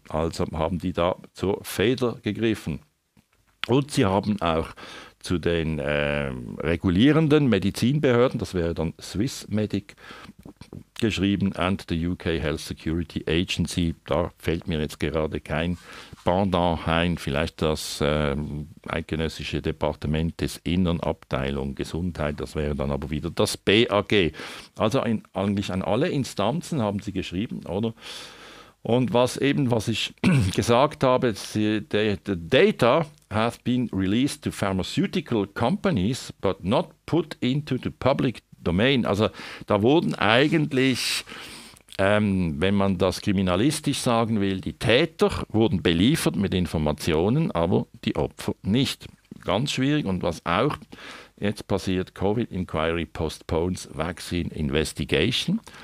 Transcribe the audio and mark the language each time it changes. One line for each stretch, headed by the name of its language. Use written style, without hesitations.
German: Also haben die da zur Feder gegriffen. Und sie haben auch zu den regulierenden Medizinbehörden, das wäre dann Swissmedic, geschrieben,
English: and the UK Health Security Agency.
German: Da fällt mir jetzt gerade kein Pendant ein. Vielleicht das eidgenössische Departement des Innern, Abteilung Gesundheit, das wäre dann aber wieder das BAG. Also eigentlich an alle Instanzen haben sie geschrieben, oder? Und was ich gesagt habe,
English: the data have been released to pharmaceutical companies, but not put into the public domain.
German: Also da wurden eigentlich, wenn man das kriminalistisch sagen will, die Täter wurden beliefert mit Informationen, aber die Opfer nicht. Ganz schwierig. Und was auch jetzt passiert,
English: Covid Inquiry postpones Vaccine Investigation.